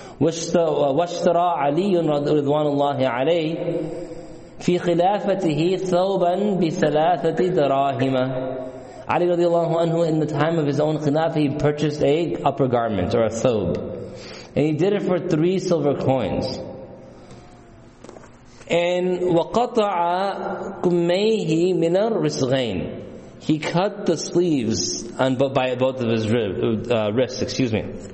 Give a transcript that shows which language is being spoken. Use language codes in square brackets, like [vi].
[ar] وَاشْتَرَى عَلِيٌ رِضْوَانُ اللَّهِ عَلَيْهِ فِي خِلَافَتِهِ ثَوْبًا بِثَلَاثَةِ دَرَاهِمَ. [en] Ali radiallahu anhu, in the time of his own khilafah, he purchased a upper garment or a thawb. And he did it for 3 silver coins. [ar] And وَقَطَعَ كُمَّيْهِ مِنَ الرِّسْغَيْنِ. [en] He cut the sleeves on by both of his wrists. Excuse me.